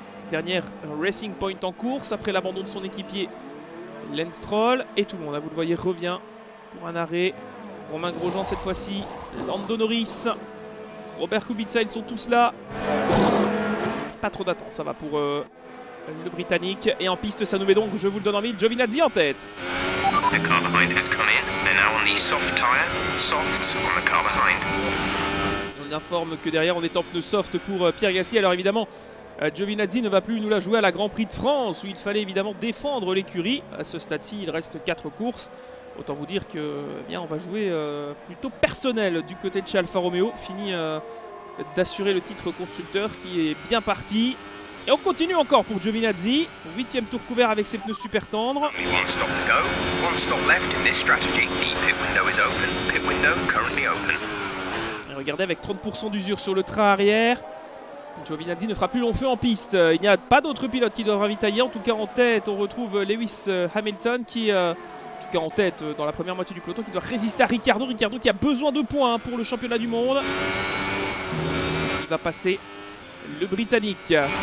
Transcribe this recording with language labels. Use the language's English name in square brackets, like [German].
[French] Dernière racing point en course après l'abandon de son équipier Lance Stroll. Et tout le monde, vous le voyez, revient pour un arrêt. Romain Grosjean cette fois-ci. Lando Norris. Robert Kubica, ils sont tous là. Pas trop d'attente, ça va pour le Britannique. Et en piste, ça nous met donc, je vous le donne en mille, Giovinazzi en tête. [English] The car behind has come in. They're now on the soft tire. Softs on the car behind. [French] On informe que derrière, on est en pneu soft pour Pierre Gasly. Alors évidemment, Giovinazzi ne va plus nous la jouer à la Grand Prix de France où il fallait évidemment défendre l'écurie. À ce stade-ci, il reste 4 courses. Autant vous dire que eh bien, on va jouer plutôt personnel du côté de chez Alfa Romeo. Fini d'assurer le titre constructeur qui est bien parti. Et on continue encore pour Giovinazzi. 8e tour couvert avec ses pneus super tendres. [English] One stop to go, one stop left in this strategy. The pit window is open. Pit window currently open. [French] Et regardez, avec 30% d'usure sur le train arrière, Giovinazzi ne fera plus long feu en piste. Il n'y a pas d'autres pilotes qui doivent ravitailler. En tout cas, en tête, on retrouve Lewis Hamilton qui... en tête dans la première moitié du peloton, qui doit résister à Ricciardo. Ricciardo qui a besoin de points pour le championnat du monde. Il va passer le Britannique.